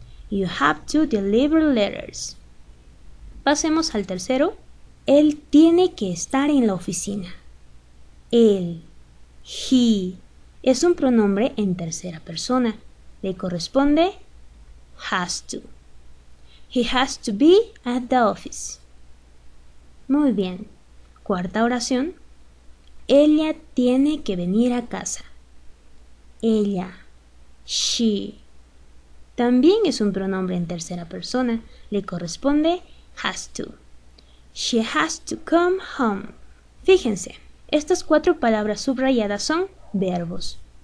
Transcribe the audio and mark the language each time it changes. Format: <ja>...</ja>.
<en>You have to deliver letters.</en> <es>Pasemos al tercero. Él tiene que estar en la oficina. Él. He. Es un pronombre en tercera persona. Le corresponde has to.</es> <en>He has to be at the office.</en> <es>Muy bien. Cuarta oración. Ella tiene que venir a casa. Ella. She. También es un pronombre en tercera persona. Le corresponde has to.</es> <en>She has to come home.</en> <es>Fíjense, estas cuatro palabras subrayadas son verbos.</es>